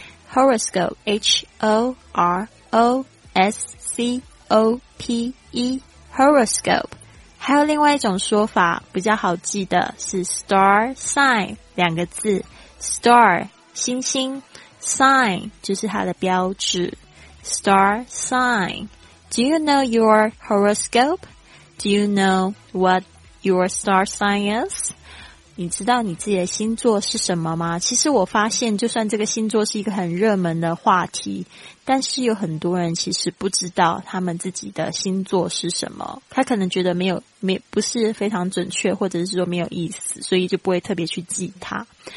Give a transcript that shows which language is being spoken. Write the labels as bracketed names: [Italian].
[English] Horoscope H-O-R-O-S-C-O-P-E Horoscope。 [Chinese] 还有另外一种说法比较好记的是 star sign 两个字， star 星星， sign 就是它的标志， star sign。 [English] Do you know your horoscope? Do you know what your star sign is? [Chinese] 你知道你自己的星座是什么吗？其实我发现就算这个星座是一个很热门的话题，但是有很多人其实不知道他们自己的星座是什么，他可能觉得不是非常准确，或者是说没有意思，所以就不会特别去记它。